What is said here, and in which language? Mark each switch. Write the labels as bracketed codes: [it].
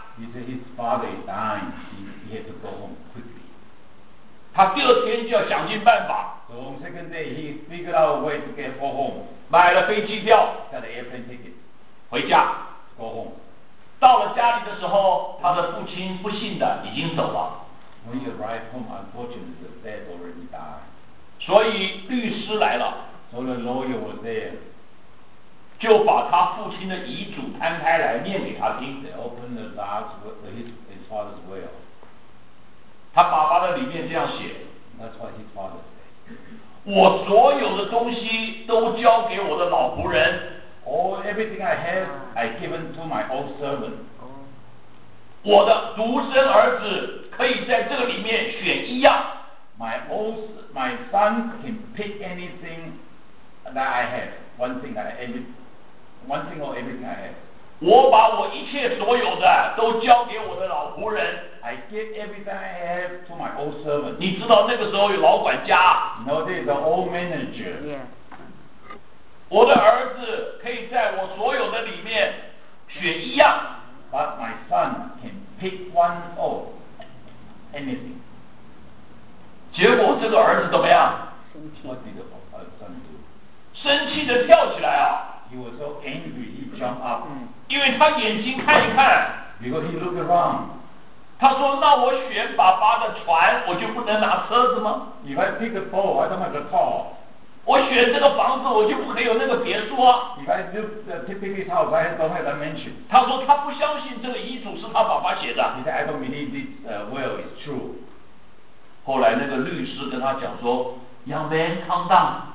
[en] He said his father is dying. He had to go home quickly. [zh] 他第二天就要想尽办法。 [en] So on second day, he figured out a way to get go home. [zh] 买了飞机票。 [en] Got an airplane ticket. [zh] 回家。 [en] Go home. [zh] 到了家里的时候，他的父亲不幸的已经走了。 [en] When he arrived home, unfortunately, his dad already died. [zh] 所以律师来了。 [en] So the lawyer was there. [zh] 就把他父亲的遗嘱摊开来念给他听。 [en] They opened the last his father's will. [zh] 他爸爸的里面这样写。 [en] That's what his father said. [zh] 我所有的东西都交给我的老仆人。 [en] All everything I have, I given to my old servant. [zh] 我的独生儿子可以在这个里面选一样。 [en] My son can pick anything that I have. One thing or everything I have. [zh] 我把我一切所有的都交给我的老仆人。 [en] I give everything I have to my old servant. [zh] 你知道那个时候有老管家。 [en] No, this is the old manager. Yeah. [zh] 我的儿子可以在我所有的里面选一样。 [en] But my son can pick one or anything. [zh] 结果这个儿子怎么样？ [en] 生气。What did the son do? [zh] 生气的跳起来啊。 [en] He was so angry, he jumped up. [zh] 因为他眼睛看一看。 [en] Because he looked around. [zh] 他说，那我选爸爸的船，我就不能拿车子吗？ [en] If I pick a boat, why don't I have a car? [zh] 我选这个房子，我就不可以有那个别墅啊。 [en] If I do pick his house, why don't I have a mansion? [zh] 他说，他不相信这个遗嘱是他爸爸写的。 [en] He said, I don't believe this will is true. [zh] 后来那个律师跟他讲说， [en] Young man, calm down.